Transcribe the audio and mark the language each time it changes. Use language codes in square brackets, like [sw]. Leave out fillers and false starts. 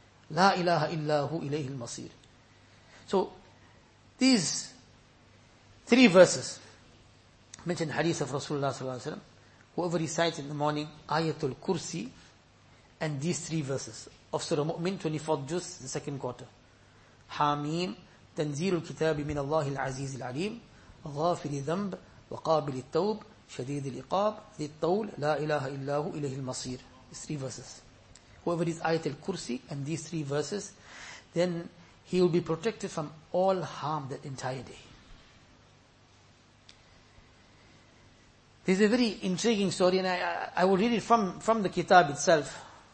[ar] La ilaha illa hu ilayhi al-masir. [en] So, these three verses mention hadith of Rasulullah sallallahu alayhi wa sallam. Whoever recites in the morning Ayatul Kursi and these three verses of Surah Mu'min, 24th Juz, the second quarter. [ar] Hameem, Tanzeelul Kitabi min Allahil Azizil Alim. غافر ذنب وقابل التوب شديد العقاب ذي الطول لا إله إلا هو إليه المصير. [en] These three verses. Whoever is Ayat al-Kursi and these three verses, then he will be protected from all harm that entire day. There's a very intriguing story, and I will read it from the Kitab itself.